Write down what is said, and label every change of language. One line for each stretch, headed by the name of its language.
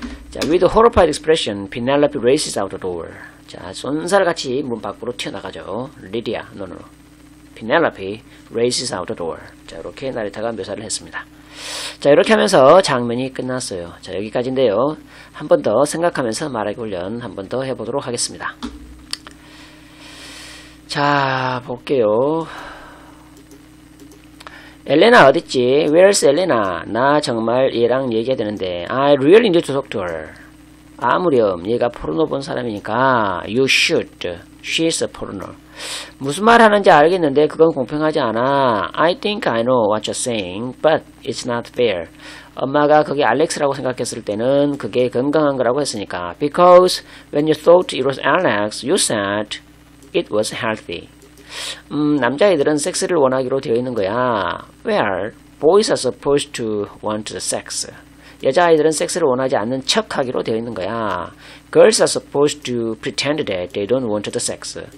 Korean: 자,
English: with a horrified expression, Penelope races out the door.
Korean: 자, 손살같이 문 밖으로 튀어나가죠.
English: Lydia, no. Penelope races out the door.
Korean: 자, 이렇게 나레이터가 묘사를 했습니다. 자, 이렇게 하면서 장면이 끝났어요. 자, 여기까지인데요. 한 번 더 생각하면서 말하기 훈련 한 번 더 해보도록 하겠습니다. 자, 볼게요. 엘레나 어딨지?
English: Where's Elena?
Korean: 나 정말 얘랑 얘기해야 되는데.
English: I really need to talk to her.
Korean: 아무렴 얘가 포르노 본 사람이니까
English: You should. She's a porno.
Korean: 무슨 말 하는지 알겠는데 그건 공평하지 않아.
English: I think I know what you're saying, but it's not fair.
Korean: 엄마가 그게 알렉스라고 생각했을 때는 그게 건강한 거라고 했으니까.
English: Because when you thought it was Alex, you said it was healthy.
Korean: 남자애들은 섹스를 원하기로 되어 있는 거야.
English: Well, boys are supposed to want the sex.
Korean: 여자아이들은 섹스를 원하지 않는 척 하기로 되어 있는 거야.
English: Girls are supposed to pretend that they don't want the sex.